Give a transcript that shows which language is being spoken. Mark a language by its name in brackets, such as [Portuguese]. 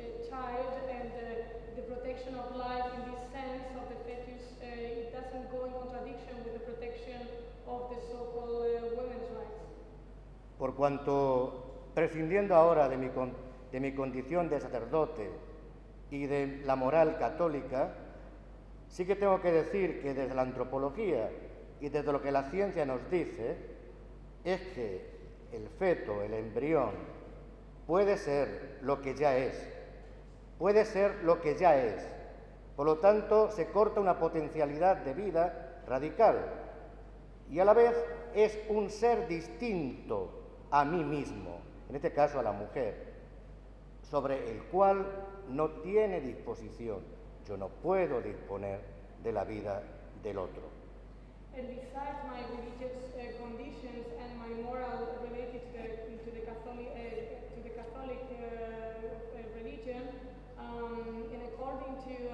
[English] child, and the protection of life in this sense of the fetus, it doesn't go in contradiction with the protection of the so-called women's rights. [Spanish] Por cuanto, prescindiendo ahora de mi condición de sacerdote y de la moral católica, sí que tengo que decir que desde la antropología y desde lo que la ciencia nos dice, es que el feto, el embrión, puede ser lo que ya es. Puede ser lo que ya es. Por lo tanto, se corta una potencialidad de vida radical. Y a la vez es un ser distinto a mí mismo, en este caso a la mujer, sobre el cual no tiene disposición. Yo no puedo disponer de la vida del otro. [English] And besides my religious conditions and my moral related to the Catholic religion, and according to